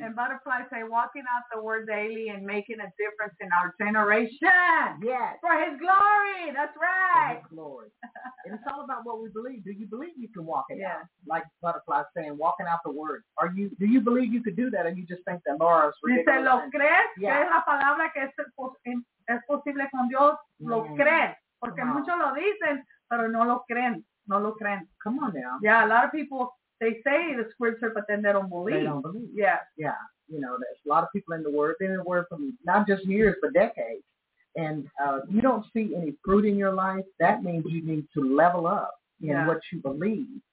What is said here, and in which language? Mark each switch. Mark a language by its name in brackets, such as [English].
[English] And Butterfly say, walking out the word daily and making a difference in our generation. Yes. For his glory. That's right. For his glory. And it's all about what we believe. Do you believe you can walk it out? Like Butterfly saying, walking out the word. Are you? Do you believe you could do that? Or you just think that Laura's ridiculous? [Spanish] Dice, ¿lo crees? Que es la palabra que es posible con Dios. Lo crees. Porque muchos lo dicen, pero no lo creen. No lo creen. [English] Come on now. Yeah, a lot of people, they say the scripture, but then they don't believe. They don't believe. Yeah. Yeah. You know, there's a lot of people in the Word. They're in the Word from not just years, but decades. And you don't see any fruit in your life. That means you need to level up in what you believe.